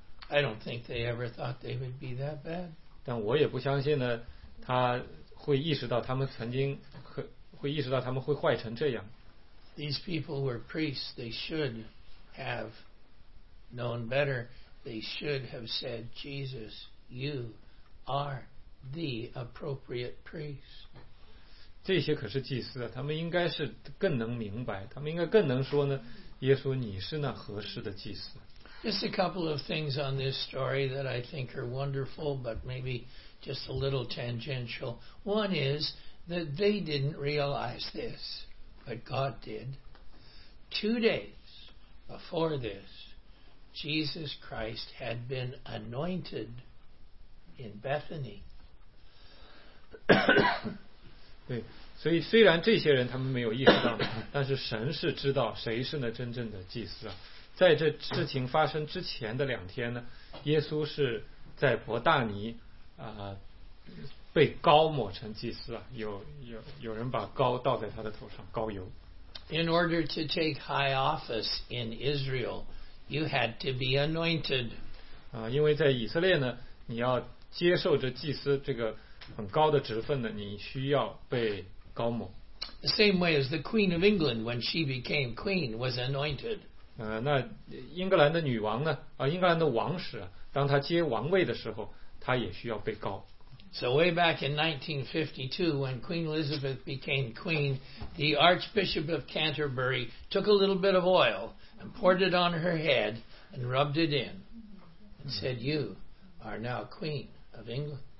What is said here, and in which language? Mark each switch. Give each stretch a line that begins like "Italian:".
English: I don't think they ever thought they would be that bad.
Chinese: 但我也不相信呢，他。会意识到他们曾经会意识到他们会坏成这样。
English: These people were priests. They should have known better. They should have said, "Jesus, you are the appropriate priest."
Chinese: 这些可是祭司啊，他们应该是更能明白，他们应该更能说呢，耶稣，你是那合适的祭司。
English: Just a couple of things on this story that I think are wonderful, but maybe. Just a little tangential. One is that they didn't realize this, but God did. 2 days before this, Jesus Christ had been anointed in Bethany.
Chinese: 对，所以虽然这些人他们没有意识到，但是神是知道谁是那真正的祭司啊。在这事情发生之前的两天呢，耶稣是在伯大尼。被膏抹成祭司啊，有人把膏倒在他的头上，膏油。
English: In order to take high office in Israel, you had to be anointed.
Chinese: 啊，因为在以色列呢，你要接受着祭司这个很高的职分呢，你需要被膏抹。
English: The same way as the Queen of England, when she became queen, was anointed.
Chinese: 那英格兰的女王呢？英格兰的王室啊，当她接王位的时候，她也需要被膏。
English: So way back in 1952, when Queen Elizabeth became queen, the Archbishop of Canterbury took a little bit of oil and poured it on her head and rubbed it in and said, "You are now Queen of England."